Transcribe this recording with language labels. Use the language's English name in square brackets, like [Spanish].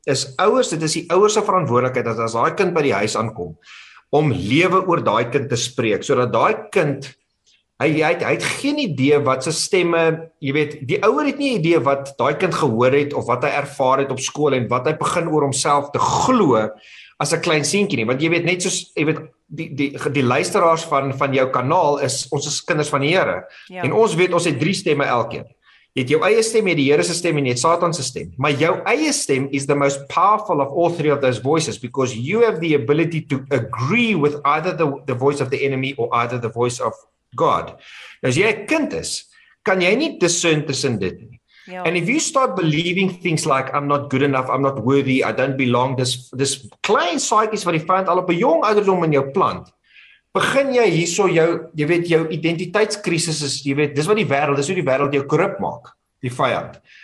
[Afrikaans] Is ouers, dit is die ouers se verantwoordelikheid dat as daai kind by die huis aankom om lewe oor daai kind te spreek sodat daai kind Hy het geen idee wat sy stemme, jy weet, die ouer het nie idee wat daai kind gehoor het of wat hy ervaar het op skool en wat hy begin oor homself te glo as 'n klein seentjie nie, want jy weet net soos jy weet die luisteraars van jou kanaal is ons is kinders van die Here. Ja. En ons weet ons het drie stemme elkeen. Jy het jou eie stem, jy het die Here se stem en jy het Satan se stem. Maar jou eie stem is [English] the most powerful of all three of those voices because you have the ability to agree with either the voice of the enemy or either the voice of God. [Afrikaans] As jy 'n kind is, kan jy nie discern tussen dit nie. Ja. [English] And if you start believing things like I'm not good enough, I'm not worthy, I don't belong, [Afrikaans] this klein saaitjies wat die vyand al op 'n jong ouderdom in jou plant, begin jy hierso jou identiteitskrisis is, jy weet, dis wat die wêreld, dis hoe die wêreld jou korrup maak, die vyand.